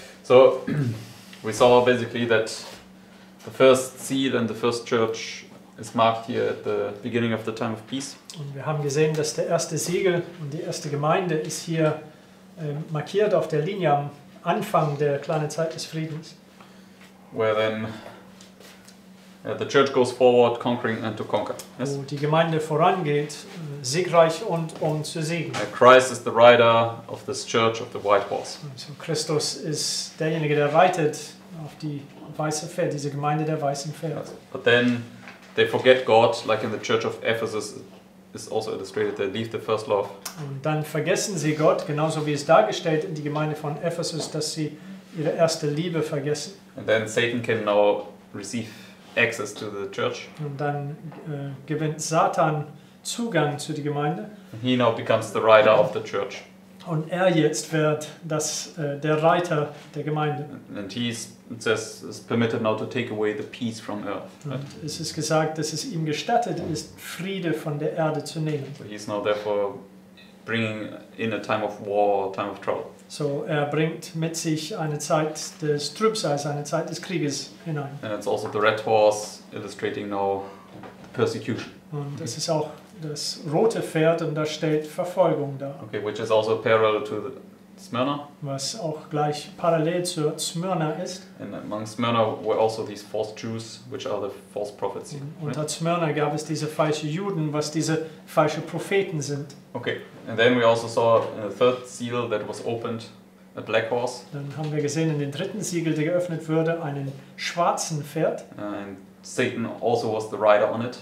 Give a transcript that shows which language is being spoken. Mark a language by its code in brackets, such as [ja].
[en] So we saw basically that the first seal and the first church is marked here at the beginning of the time of peace. [de] Und wir haben gesehen, dass der erste Siegel und die erste Gemeinde ist hier markiert auf der Linie am Anfang der kleinen Zeit des Friedens. [en] Where then the church goes forward, conquering and to conquer. Yes? [de] Wo die Gemeinde vorangeht, siegreich und um zu siegen. [en] Christ is the rider of this church of the white horse. [de] So Christus ist derjenige, der reitet auf die weiße Pferde, diese Gemeinde der weißen Pferde. [en] But then they forget God, like in the church of Ephesus. Is also illustrated that leave the first love. [de] Und dann vergessen sie Gott, genauso wie es dargestellt in die Gemeinde von Ephesus, dass sie ihre erste Liebe vergessen. [en] And then Satan can now receive access to the church. [de] Und dann gewinnt Satan Zugang zu der Gemeinde. [en] And he now becomes the rider of the church. [de] Und er jetzt wird das der Reiter der Gemeinde. [en] And he is permitted now to take away the peace from earth. Right? [de] Es ist gesagt, dass es ihm gestattet ist, Friede von der Erde zu nehmen. [en] So he is now therefore bringing in a time of war, a time of trouble. [de] So er bringt mit sich eine Zeit des Trübsals, eine Zeit des Krieges hinein. [en] And it's also the red horse illustrating now the persecution. [de] Und es ist auch das rote Pferd und das stellt Verfolgung dar. [en] Okay, which is also parallel to the Smyrna. [de] Was auch gleich parallel zur Smyrna ist. [en] And among Smyrna were also these false Jews, which are the false prophets. [de] Unter Smyrna gab es diese falschen Juden, was diese falschen Propheten sind. [en] Okay, and then we also saw in the third seal that was opened, a black horse. [de] Dann haben wir gesehen in den dritten Siegel, der geöffnet wurde, einen schwarzen Pferd. [en] And Satan also was the rider on it.